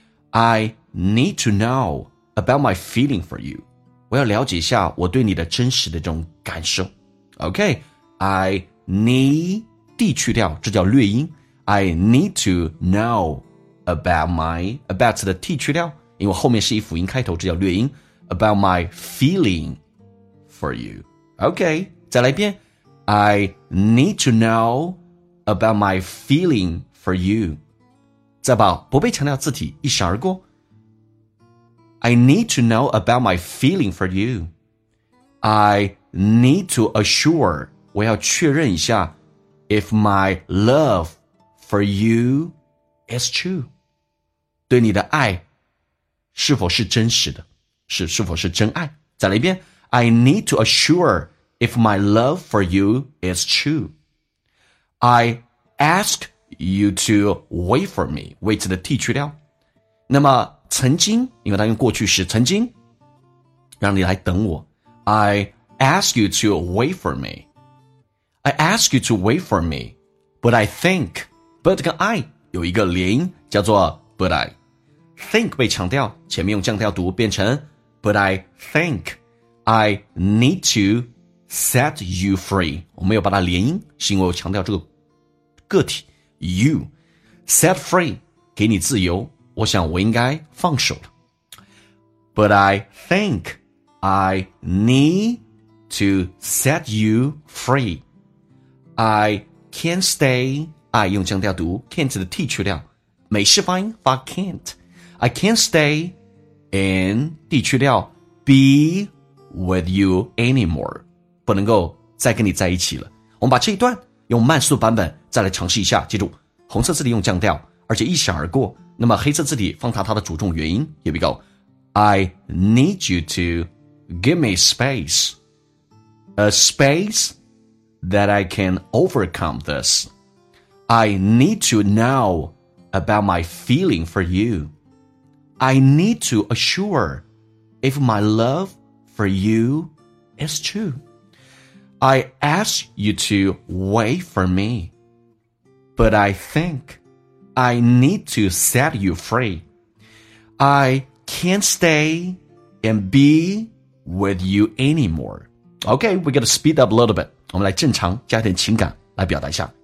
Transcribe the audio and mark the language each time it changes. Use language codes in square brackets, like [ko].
[en] I need to know about my feeling for you. [zh] 我要了解一下我对你的真实的这种感受。 [en] OK, I need D [zh] 去掉，这叫略音。 [en] I need to know about my about [zh] 的 T 去掉，因为后面是一辅音开头，这叫略音。 [en] About my feeling for you. OK, [zh] 再来一遍。 [en] I need to know about my feeling for you. [zh] 再把不被强调字体一闪而过。 [en] I need to know about my feeling for you. I need to assure, [zh] 我要确认一下 [en] if my love for you is true. [zh] 对你的爱是否是真实的，是否是真爱。再来一遍。 [en] I need to assure,If my love for you is true, I ask you to wait for me. [zh] Wait 的 T 去掉。那么曾经，因为它用过去时，曾经让你来等我。 [en] I ask you to wait for me. I ask you to wait for me. But I think, but [zh] 跟 [en] I [zh] 有一个连音，叫做 [en] but I. Think [zh] 被强调，前面用降调读变成 [en] but I think I need to. Set you free. [zh] 我没有把它连音，是因为我强调这个个体 [en] you. Set free. [zh] 给你自由，我想我应该放手了。 [en] But I think I need to set you free. I can't stay. I [zh] 用强调读 [en] can't [zh] 的 t 去掉，美式发音发 can't. [en] I can't stay in t [zh] 去掉 [en] be with you anymore. [zh] 不能够再跟你在一起了。我们把这一段用慢速版本再来尝试一下，记住红色字体用降调，而且一闪而过，那么黑色字体放大它的主重元音。 [en] Here we go. I need you to give me space, a space that I can overcome this. I need to know about my feeling for you. I need to assure if my love for you is true. I ask you to wait for me, but I thinkI need to set you free. I can't stay and be with you anymore. Okay, we gotta speed up a little bit. [zh] 我们来正常加点情感来表达一下。